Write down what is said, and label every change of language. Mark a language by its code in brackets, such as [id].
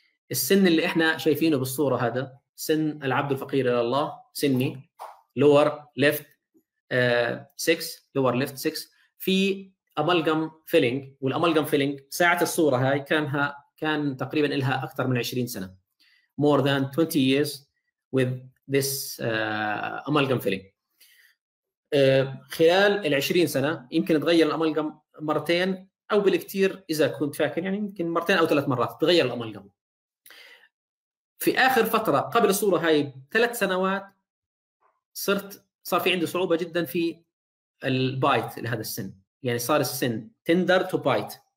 [ar] السن اللي احنا شايفينه بالصوره هذا سن العبد الفقير الى الله، سني لور ليفت 6، لور ليفت 6 في امالجم فيلينج، والامالجم فيلينج ساعه الصوره هاي كان تقريبا لها اكثر من 20 سنه. [en] More than 20 years with this amalgam filling. [ar] خلال العشرين سنة يمكن تغير الأمالجم مرتين أو بالكثير إذا كنت فاكر يعني يمكن مرتين أو ثلاث مرات تغير الأمالجم. في آخر فترة قبل الصورة هاي ثلاث سنوات صار في عندي صعوبة جدا في البايت لهذا السن، يعني صار السن [en] tender to bite.